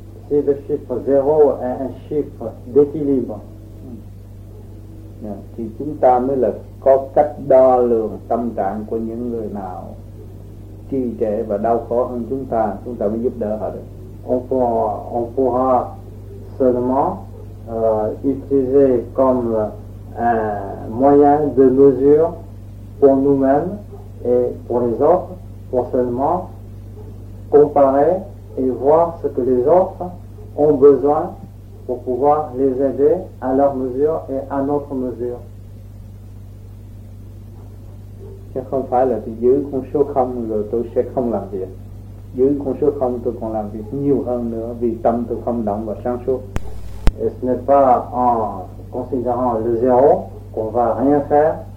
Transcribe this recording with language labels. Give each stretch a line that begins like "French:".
French: Si le chiffre zéro est un chiffre d'équilibre,
Vietnamese: thì chúng ta mới là có cách đo lường tâm trạng của những người nào trì trệ và đau khổ hơn chúng ta mới giúp đỡ họ được.
French: On pourra seulement utiliser comme un moyen de mesure pour nous-mêmes et pour les autres, pour seulement comparer et voir ce que les autres ont besoin pour pouvoir les aider à leur mesure et à notre mesure.
Vietnamese: Chứ không phải là giữ con số không rồi tôi sẽ không làm việc. Giữ con số không tôi còn làm việc nhiều hơn nữa vì tâm tôi không động và sáng suốt.
French: Et ce n'est pas en considérant le zéro qu'on va rien faire.